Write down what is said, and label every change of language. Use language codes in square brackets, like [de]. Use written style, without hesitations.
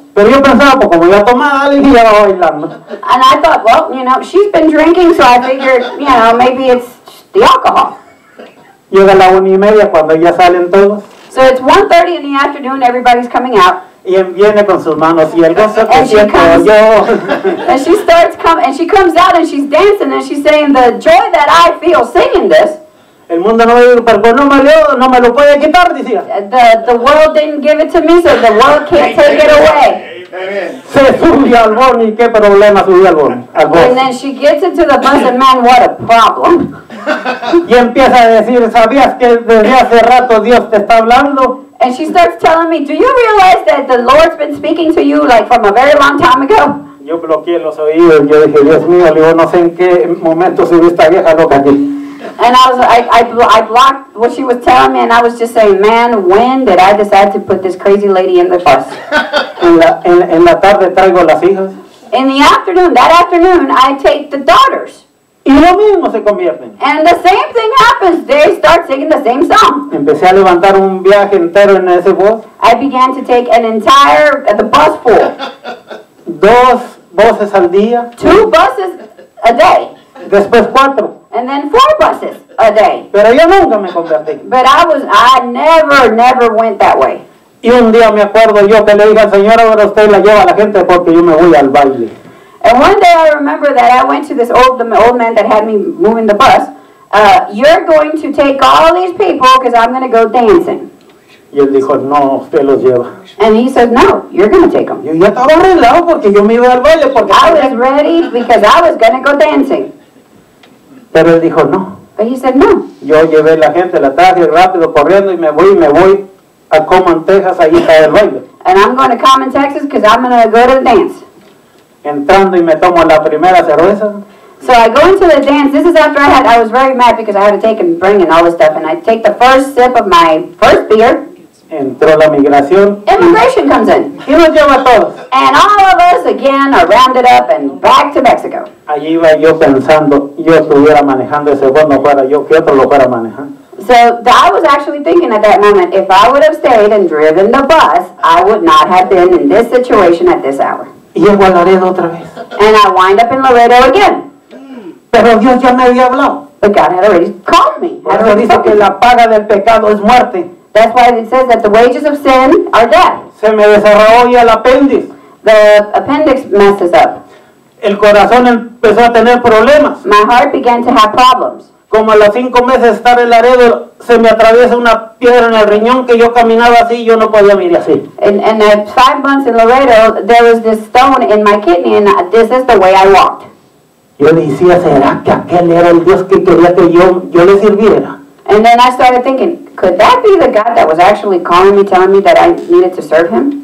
[es] Pero yo pensaba, pues, como ya tomaba, y ya va bailando. [en] And I thought, well, you know, she's been drinking, so I figured, you know, maybe it's the alcohol. [es] Llega la 1:30 cuando ya salen todos. [en] So it's 1:30 in the afternoon, everybody's coming out. [es] Y viene con sus manos y el gozo que siento yo. [en] And she starts coming, and she comes out and she's dancing and she's saying, the joy that I feel singing this. [es] El mundo no me dio, pero no me lo puede quitar, decía. [en] The world didn't give it to me, so the world can't take it away. [es] Se subió al bus y qué problema subió al bus. [en] And then she gets into the bus and man, what a problem. [es] Y empieza a decir, ¿sabías que desde hace rato Dios te está hablando? [en] And she starts telling me, do you realize that the Lord's been speaking to you like from a very long time ago? [es] Yo bloqueé los oídos, yo dije, Dios mío, digo, no sé en qué momento subió esta vieja loca aquí. [en] And I blocked what she was telling me, and I was just saying, man, when did I decide to put this crazy lady in the bus? [es] En la tarde traigo las hijas. [en] In the afternoon, that afternoon, I take the daughters. [es] Y lo mismo se convierte. [en] And the same thing happens. They start singing the same song. [es] Empecé a levantar un viaje entero en ese bus. [en] I began to take the bus full. [es] Dos buses al día. [en] Two buses a day. [es] Después cuatro. [en] And then 4 buses a day. [es] Pero yo nunca me convertí. [en] But I never went that way. [es] Y un día me acuerdo yo que le dije al Señor, ahora usted la lleva a la gente porque yo me voy al baile. [en] And one day I remember that I went to this old man that had me moving the bus. You're going to take all these people because I'm going to go dancing. [es] Y él dijo, no, usted los lleva. [en] And he said, no, you're going to take them. [es] Yo ya estaba arreglado porque yo me iba al baile. [en] I was ready because I was going to go dancing. [es] Pero él dijo, no. [en] But he said, no. [es] Yo llevé la gente, la traje rápido, corriendo, y me voy a Comán, Texas, ahí está el baile. [en] And I'm going to Comán, Texas, because I'm going to go to the dance. [es] Entrando y me tomo la primera cerveza. [en] So I go into the dance. This is after I was very mad because I had to take and bring in all this stuff. And I take the first sip of my first beer. [es] Entró la migración. [en] Immigration comes in. [es] Y nos lleva a todos. [en] And all of us again are rounded up and back to Mexico. [es] Allí iba yo pensando, yo estuviera manejando ese bono para yo, que otro lo fuera manejando. [en] So I was actually thinking at that moment, if I would have stayed and driven the bus, I would not have been in this situation at this hour. [es] Y llego a Laredo otra vez. [en] And I wind up in Laredo again. [es] Pero Dios ya me había hablado. [en] But God had already called me. [es] Por eso dice que la paga del pecado es muerte. [en] That's why it says that the wages of sin are death. [es] Se me desarrolló ya el apéndice. [en] The appendix messes up. [es] El corazón empezó a tener problemas. [en] My heart began to have problems. [es] Como a los 5 meses de estar en Laredo, se me atraviesa una piedra en el riñón que yo caminaba así y yo no podía mirar así. [en] And at 5 months in Laredo, there was this stone in my kidney and this is the way I walked. [es] Yo decía, ¿será que aquel era el Dios que quería que yo le sirviera? [en] And then I started thinking, could that be the God that was actually calling me, telling me that I needed to serve him?